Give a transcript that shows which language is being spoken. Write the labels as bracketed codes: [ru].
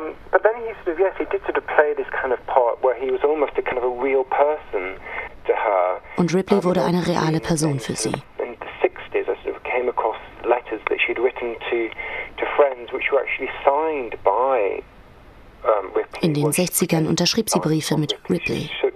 [en] But then he sort of he did sort of play this kind of part where he was almost a kind of a real person to her. [de] Und Ripley wurde eine reale Person für sie. [en] In the 60s, I sort of came across letters that she'd written to friends, which were actually signed by [de] In den 60ern unterschrieb sie Briefe mit Ripley.